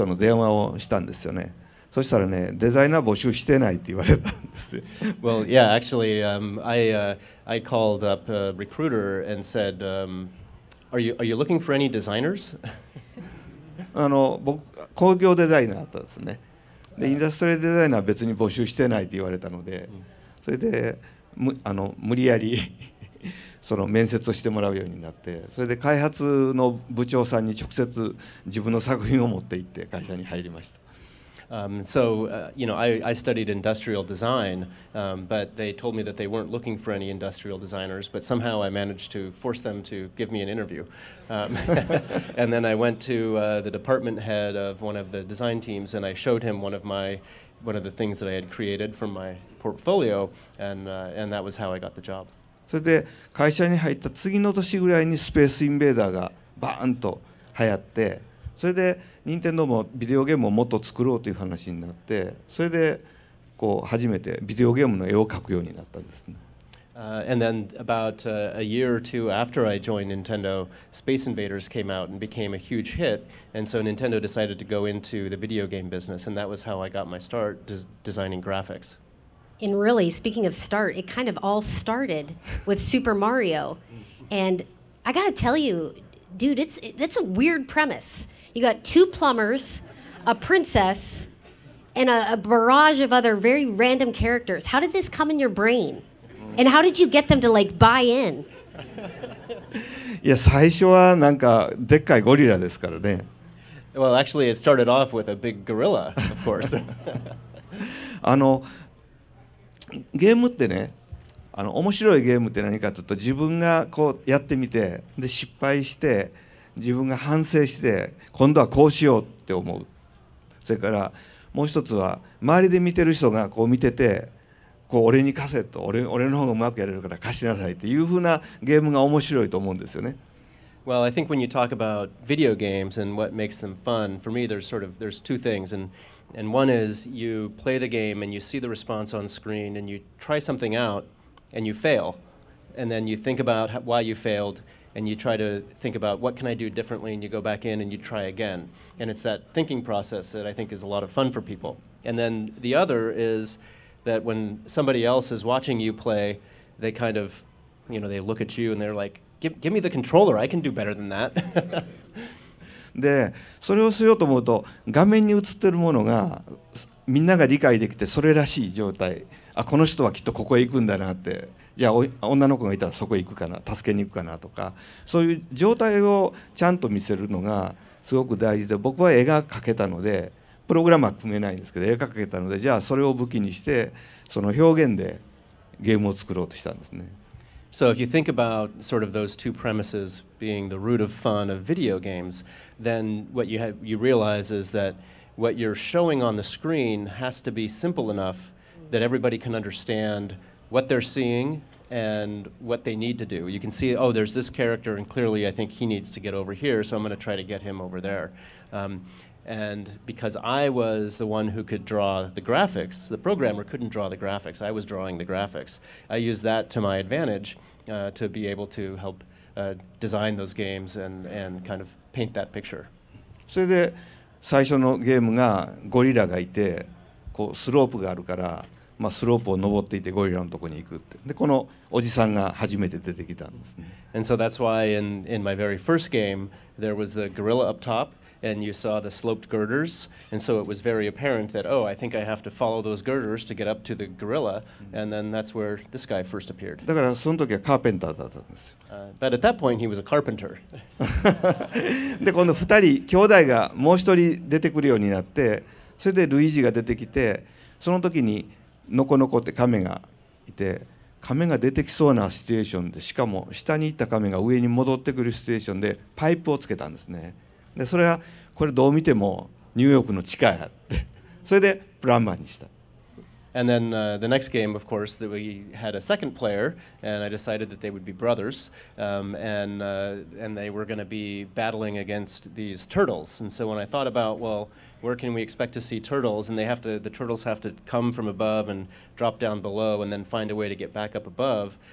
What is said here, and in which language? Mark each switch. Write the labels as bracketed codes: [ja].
[ja] まあ今はその偉大なゲームデザイナーになってるんですけれども、あのその初回は任天堂に入社した頃は本当のまあアプレンティスみたいな低いレベルで入りましたよね。そうですよね。僕はそうですね。まずあのね、会社にあのリクルートの電話をしたんですよね。そしたらね、デザイナー募集してないって言われたんです。 [en] Well, yeah, actually, I called up a recruiter and said, are you looking for any designers? [ja] あの、僕、工業デザイナーだったんですね。で、インダストリアルデザイナーは別に募集してないって言われたので、それで無理やりその面接をしてもらうようになって、それで開発の部長さんに直接自分の作品を持って行って会社に入りました。 [en] So, I studied industrial design, but they told me that they weren't looking for any industrial designers, but somehow I managed to force them to give me an interview. and then I went to the department head of one of the design teams, and I showed him one of the things that I had created from my portfolio, and that was how I got the job. [ja] それで会社に入った次の年ぐらいにスペースインベーダーがバーンと流行って、それで任天堂もビデオゲームをもっと作ろうという話になって、それでこう初めてビデオゲームの絵を描くようになったんですね。 [en] And then about a year or two after I joined Nintendo, Space Invaders came out and became a huge hit, and so Nintendo decided to go into the video game business, and that was how I got my start designing graphics. And really, speaking of start, it kind of all started with Super Mario, and I got to tell you, dude, that's a weird premise. You got two plumbers, a princess, and a barrage of other very random characters. How did this come in your brain? And how did you get them to like buy in? [ja] Yeah, 最初はなんかでっかいゴリラですからね。 [en] Well, actually, it started off with a big gorilla, of course. [ja] ゲームってね、面白いゲームって何かというと、自分がこうやってみて、で失敗して、自分が反省して、今度はこうしようって思う。それからもう一つは、周りで見てる人がこう見てて、こう俺に貸せと、俺の方がうまくやれるから貸しなさいっていうふうなゲームが面白いと思うんですよね。 [en] Well, I think when you talk about video games and what makes them fun, for me there's two things. And one is you play the game and you see the response on screen and you try something out and you fail. And then you think about why you failed and you try to think about what can I do differently and you go back in and you try again. And it's that thinking process that I think is a lot of fun for people. And then the other is that when somebody else is watching you play, they kind of, they look at you and they're like, give me the controller, I can do better than that. [ja] でそれをしようと思うと、画面に映ってるものがみんなが理解できてそれらしい状態、あこの人はきっとここへ行くんだなって、いや女の子がいたらそこへ行くかな、助けに行くかなとか、そういう状態をちゃんと見せるのがすごく大事で、僕は絵が描けたのでプログラムは組めないんですけど、絵が描けたので、じゃあそれを武器にしてその表現でゲームを作ろうとしたんですね。 [en] So if you think about sort of those two premises being the root of fun of video games, then what you realize is that what you're showing on the screen has to be simple enough that everybody can understand what they're seeing and what they need to do. You can see, oh, there's this character, and clearly I think he needs to get over here, so I'm going to try to get him over there. And because I was the one who could draw the graphics, the programmer couldn't draw the graphics, I was drawing the graphics. I used that to my advantage to be able to help design those games and kind of paint that picture. [ja] それで最初のゲームがゴリラがいて、こうスロープがあるから、まあ、スロープを登っていてゴリラのとこに行くって。で、このおじさんが初めて出てきたんですね。 [en] And so that's why in my very first game, there was the gorilla up top,and you saw the sloped girders, and so it was very apparent that, oh, I think I have to follow those girders to get up to the gorilla, and then that's where this guy first appeared. [ja] だからその時はカーペンターだったんですよ。 [en] But at that point, he was a carpenter. [ja] で、この二人、兄弟がもう一人出てくるようになって、それでルイージが出てきて、その時にノコノコってカメがいて、カメが出てきそうなシチュエーションで、しかも下に行ったカメが上に戻ってくるシチュエーションで、パイプをつけたんですね。でそれはこれどう見てもニューヨークの地下やってそれでプランマーにした。 [en] And then the next game, of course, that we had a second player, and I decided that they would be brothers, and they were going to be battling against these turtles. And so when I thought about, well, where can we expect to see turtles? And the turtles have to come from above and drop down below and then find a way to get back up above.